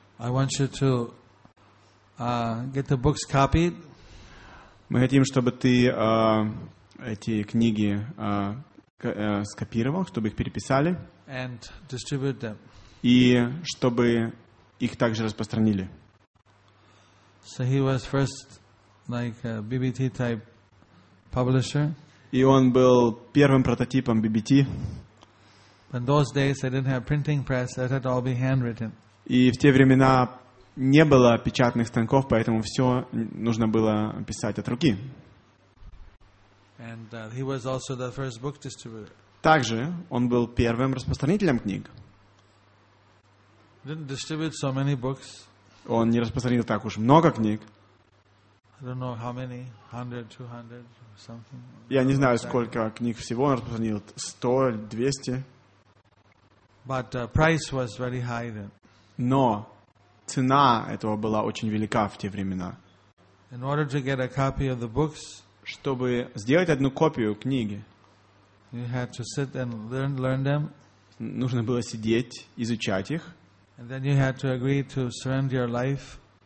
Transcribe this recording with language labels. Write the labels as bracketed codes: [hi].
[en] I want you to get the books copied. [ru] Мы хотим, чтобы ты эти книги скопировал, чтобы их переписали. [en] And distribute them. [ru] И чтобы их также распространили. [en] So he was first like a BBT type publisher. [ru] И он был первым прототипом BBT. [en] In those days they didn't have printing press, it had to all be handwritten. [ru] И в те времена не было печатных станков, поэтому все нужно было писать от руки. [en] And he was also the first book distributor. [ru] Также он был первым распространителем книг. [en] Didn't distribute so many books. [ru] Он не распространил так уж много книг. [en] I don't know how many, 100, 200, or something. [ru] Я не знаю, сколько книг всего он распространил, 100, 200. [en] But the price was very high then. [ru] Но цена этого была очень велика в те времена. [en] In order to get a copy of the books, [ru] чтобы сделать одну копию книги, [en] you had to sit and learn them. [ru] Нужно было сидеть, изучать их. [en] And then you had to agree to surrender your life.